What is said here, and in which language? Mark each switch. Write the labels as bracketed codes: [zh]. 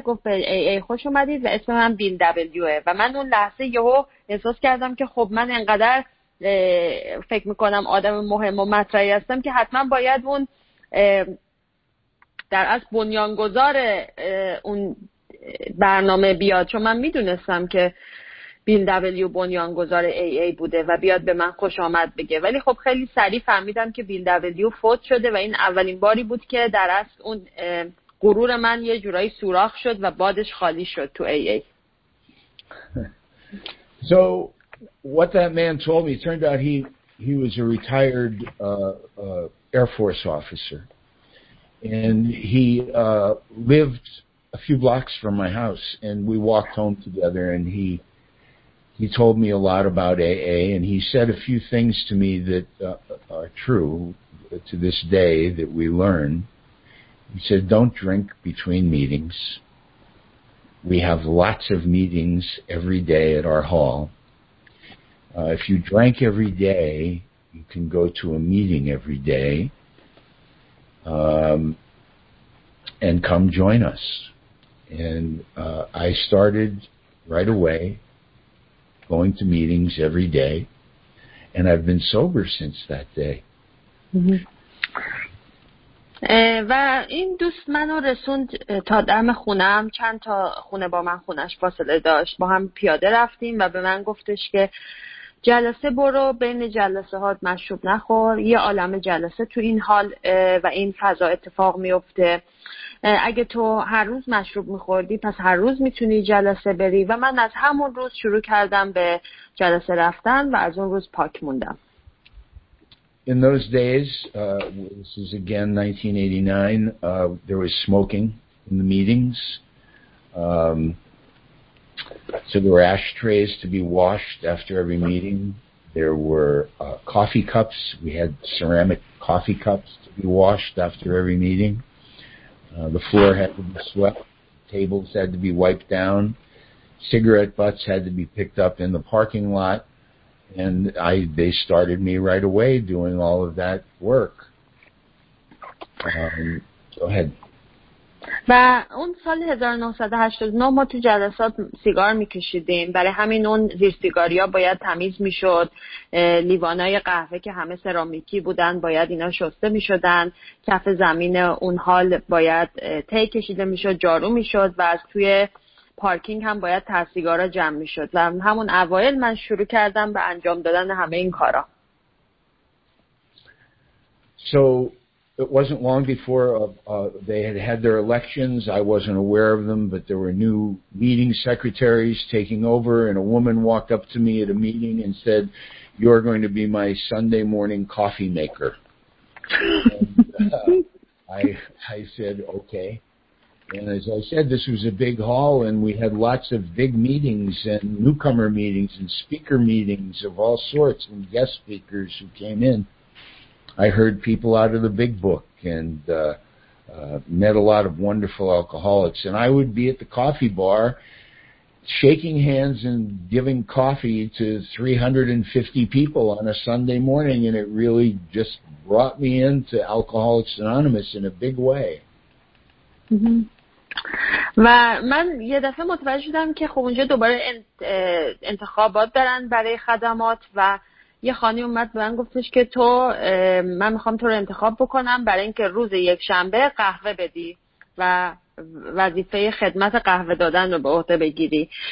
[fa] گفت ای خوش اومدید و اسم من بیل دبلیوه و من اون لحظه یهو احساس کردم که خب من انقدر فکر میکنم آدم مهم و مطرحی هستم که حتما باید اون در از بنیانگذار اون برنامه بیاد، چون من میدونستم که بیل دبلیو بنیانگذار ای ای بوده و بیاد به من خوش آمد بگه. ولی خب خیلی سریع فهمیدم که بیل دبلیو فوت شده و این اولین باری بود که در از اون غرور من یه جورایی سوراخ شد و بادش خالی شد تو ای ای. [en] So what that man told me, it turned out he was a retired Air Force officer, and he lived a few blocks from my house, and we walked home together, and he told me a lot about AA, and he said a few things to me that are true to this day that we learn. He said, don't drink between meetings. We have lots of meetings every day at our hall. If you drank every day, you can go to a meeting every day and come join us. And I started right away going to meetings every day, and I've been sober since that day. [fa] و این دوست منو رسوند تا دم خونم، چند تا خونه با من خونش فاصله داشت، با هم پیاده رفتیم و به من گفتش که جلسه برو، بین جلسه هات مشروب نخور، یه عالمه جلسه تو این حال و این فضا اتفاق میفته، اگه تو هر روز مشروب میخوردی پس هر روز میتونی جلسه بری. و من از همون روز شروع کردم به جلسه رفتن و از اون روز پاک موندم. [en] In those days, this is again 1989, there was smoking in the meetings. So there were ashtrays to be washed after every meeting. There were coffee cups. We had ceramic coffee cups to be washed after every meeting. The floor had to be swept. Tables had to be wiped down. Cigarette butts had to be picked up in the parking lot. And they started me right away doing all of that work. Go ahead. [fa] و اون سال 1989 ما تو جلسات سیگار میکشیدیم، برای همین اون زیر سیگاری ها باید تمیز میشد، لیوانای قهوه که همه سرامیکی بودن باید اینا شسته میشدن، کف زمین اون حال باید تی کشیده میشد، جارو میشد و از توی پارکینگ هم باید تر سیگارا جمع میشد و همون اوائل من شروع کردم به انجام دادن همه این کارا. [en] So it wasn't long before they had their elections. I wasn't aware of them, but there were new meeting secretaries taking over, and a woman walked up to me at a meeting and said, you're going to be my Sunday morning coffee maker. I said, okay. And as I said, this was a big hall, and we had lots of big meetings and newcomer meetings and speaker meetings of all sorts and guest speakers who came in. I heard people out of the big book and met a lot of wonderful alcoholics. And I would be at the coffee bar shaking hands and giving coffee to 350 people on a Sunday morning. And it really just brought me into Alcoholics Anonymous in a big way. [fa] و من یه دفعه متوجه شدم که خب اونجا دوباره انتخابات دارن برای خدمات و یه خانی اومد به من گفتش که تو، من میخوام تو رو انتخاب بکنم برای اینکه روز یک شنبه قهوه بدی و وظیفه خدمت قهوه دادن رو به عهده بگیری.